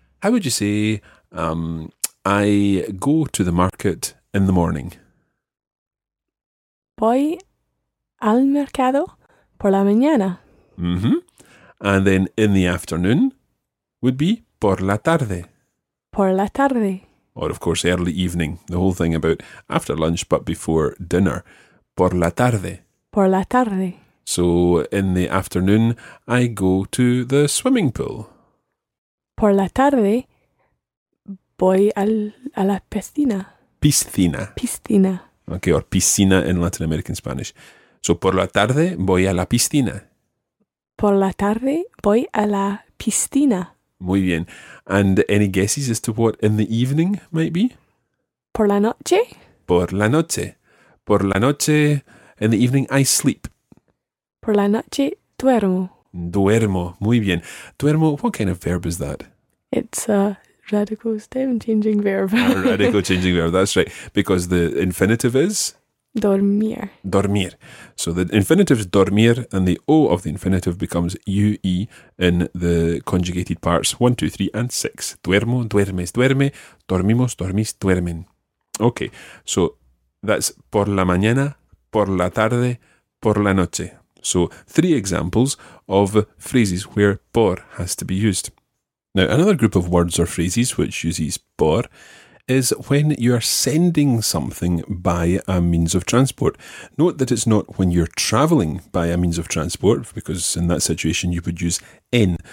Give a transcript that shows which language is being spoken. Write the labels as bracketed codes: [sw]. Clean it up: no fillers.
[en] How would you say, I go to the market in the morning? [es] Voy al mercado por la mañana. [en] Mm-hmm. And then in the afternoon would be [es] por la tarde. Por la tarde. [en] Or, of course, early evening. The whole thing about after lunch but before dinner. [es] Por la tarde. Por la tarde. [en] So, in the afternoon, I go to the swimming pool. [es] Por la tarde, voy a la piscina. Piscina. Piscina. [en] Okay, or piscina in Latin American Spanish. [es] So, por la tarde, voy a la piscina. Por la tarde, voy a la piscina. Muy bien. [en] And any guesses as to what in the evening might be? [es] Por la noche. Por la noche. Por la noche, [en] in the evening, I sleep. [es] Por la noche, duermo. Duermo. Muy bien. [en] Duermo, what kind of verb is that? It's a radical stem-changing verb. A radical changing verb, that's right. Because the infinitive is? [es] Dormir. Dormir. [en] So the infinitive is dormir, and the O of the infinitive becomes UE in the conjugated parts 1, 2, 3, and 6. [es] Duermo, duermes, duerme, dormimos, dormís, duermen. [en] Okay, so that's [es] por la mañana, por la tarde, por la noche. [en] So three examples of phrases where por has to be used. Now, another group of words or phrases which uses por is when you are sending something by a means of transport. Note that it's not when you're travelling by a means of transport, because in that situation you would use en.